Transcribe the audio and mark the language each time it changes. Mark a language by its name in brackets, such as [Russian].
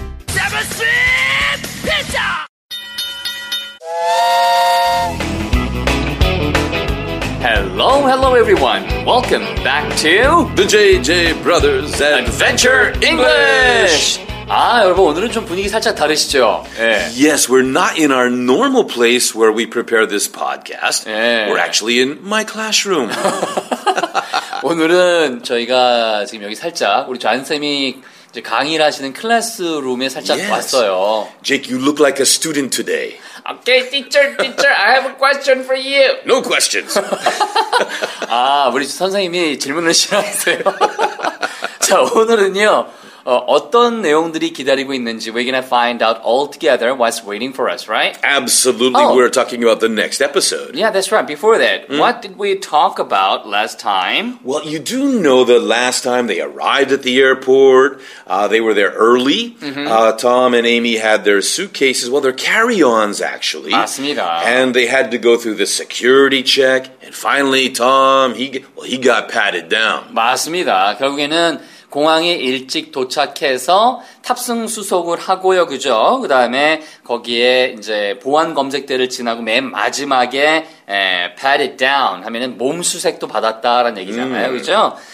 [English] 7th Street Pizza. 헬로 헬로 에브리원, 웰컴 back to The JJ Brothers Adventure English. [Korean] 아, 여러분 오늘은 좀 분위기 살짝 다르시죠? 예. [English] Yes, we're not in our normal place where we prepare this podcast. 예. We're actually in my classroom. [Korean] 오늘은 저희가 지금 여기 살짝 우리 잔쌤이 이제 강의를 하시는 클래스룸에 살짝 [English] yes. [Korean] 왔어요. [English] Jake, you look like a student today. Okay, teacher, I have a question for you. No questions. [Korean] 아, 우리 선생님이 질문을 싫어하세요. 자, 오늘은요, 어떤 내용들이 기다리고 있는지 [English] we're going to find out all together what's waiting for us, right? Absolutely. Oh. We're talking about the next episode. Yeah, that's right. Before that, what did we talk about last time? Well, you do know that last time they arrived at the airport, they were there early. Mm-hmm. Tom and Amy had their suitcases, well, their carry-ons, actually. [Korean] 맞습니다. [English] And they had to go through the security check. And finally, Tom, he got patted down. [Korean] 맞습니다. 결국에는 공항에 일찍 도착해서 탑승 수속을 하고요, 그죠? 그 다음에 거기에 이제 보안 검색대를 지나고 맨 마지막에 patted down 하면은 몸수색도 받았다라는 얘기잖아요, 그죠?